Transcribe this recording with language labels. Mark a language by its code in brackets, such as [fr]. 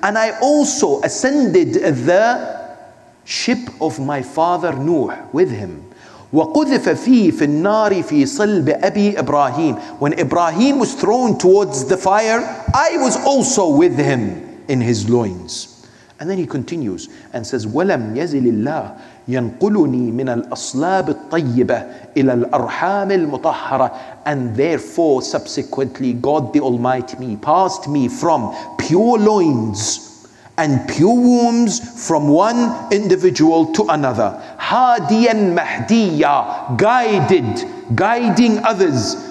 [en] And I also ascended the ship of my father Nuh with him. [ar] وَقُذِفَ فِيهِ فِي النَّارِ فِي صَلْبِ أَبِي إِبْرَاهِيمِ. [en] When Ibrahim was thrown towards the fire, I was also with him in his loins. And then he continues and says, [ar] وَلَمْ يَزِلِ اللَّهِ يَنْقُلُنِي مِنَ الْأَصْلَابِ الطَّيِّبَةِ إِلَى الْأَرْحَامِ الْمُطَحَّرَةِ. [en] And therefore, subsequently, God the Almighty me passed me from pure loins and pure wombs from one individual to another. [ar] هَادِيًا مَهْدِيًّا. [en] Guided, guiding others.